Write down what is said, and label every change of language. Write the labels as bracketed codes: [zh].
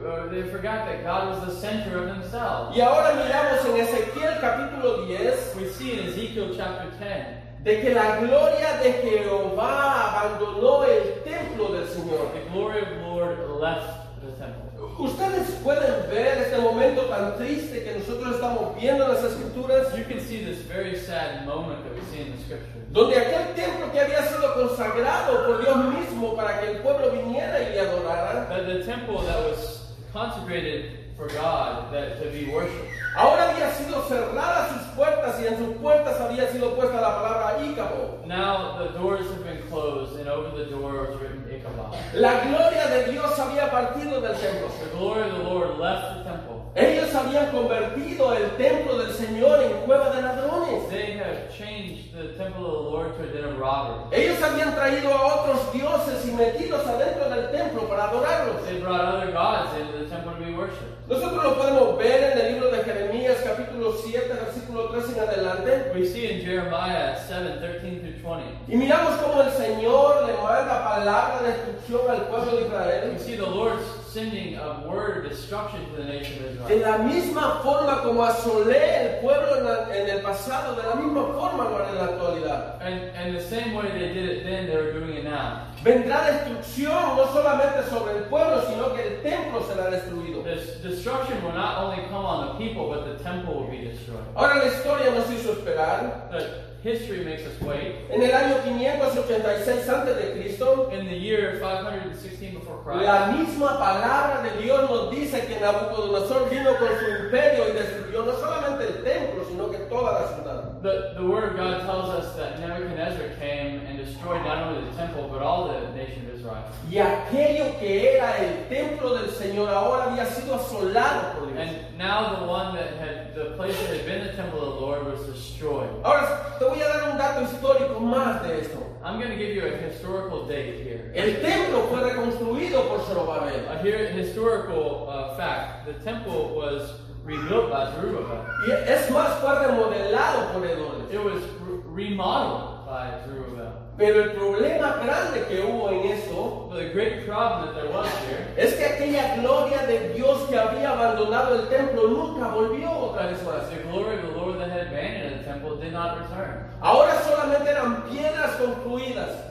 [en] They forgot that God was the center of himself. [es] Y ahora miramos en Ezequiel capítulo 10. [en] We see in Ezekiel chapter 10. [es] De que la gloria de Jehová abandonó el templo del Señor. [en] The glory of the Lord left the temple. [es] Ustedes pueden ver este momento tan triste que nosotros estamos viendo en las escrituras. [en] You can see this very sad moment that we see in the scriptures. [es] Donde aquel templo que había sido consagrado por Dios mismo para que el pueblo viniera y le adorara. [en] But the temple that was consecrated for God that to be worshipped. [es] Ahora había sido cerrada sus puertas y en sus puertas había sido puesta la palabra Ícaro. [en] Now the doors have been closed and over the door was written Ichabod. [es] La gloria de Dios había partido del templo. [en] The glory of the Lord left the temple. [es] Ellos habían convertido el templo del Señor en cueva de ladrones. [en] They have changed the temple of the Lord to a den of robbers. [es] Ellos habían traído a otros dioses y metidos adentro del templo para adorarlos. [en] They brought other gods into the temple to be worshipped. [es] Nosotros lo podemos ver en el libro de Jeremías, capítulo 7, versículo 3 en adelante. [en] We see in Jeremiah 7, 13 through 20. [es] Y miramos cómo el Señor le manda palabra de destrucción al pueblo de Israel. [en] We see the Lord sending a word of destruction to the nation of Israel. [es] De la misma forma como asolé el pueblo en el pasado, de la misma forma lo haré en la actualidad. [en] And the same way they did it then, they're doing it now. [es] Vendrá destrucción no solamente sobre el pueblo, sino que el templo será destruido. [en] This destruction will not only come on the people, but the temple will be destroyed. [es] Ahora la historia nos hizo esperar. [en] But history makes us wait. [es] En el año 586 antes de Cristo, [en] in the year 516 before Christ, [es] la misma palabra de Dios nos dice que Nabucodonosor vino con su imperio y destruyó no solamente el templo, sino que toda la ciudad. [en] The word of God tells us that Nebuchadnezzar came and destroyed not only the temple, but all the nation of Israel. [es] Y aquello que era el templo del Señor ahora había sido asolado por Dios. [en] And now the place that had been the temple of the Lord was destroyed. [es] Ahora, te voy a dar un dato histórico más de esto. [en] I'm going to give you a historical date here. [es] El templo fue reconstruido por Zerubbabel. [en] Here, a historical fact. The temple was rebuilt by Zerubbabel. [es] Es más, fue remodelado por Edores. [en] It was remodeled by Zerubbabel. [es] Pero el problema grande que hubo en eso, [en] the great problem that there was here, [es] es que aquella gloria de Dios que había abandonado el templo nunca volvió otra vez más. [en] The glory of the Lord that had abandoned the temple did not return. [es] Ahora solamente eran piedras concluidas.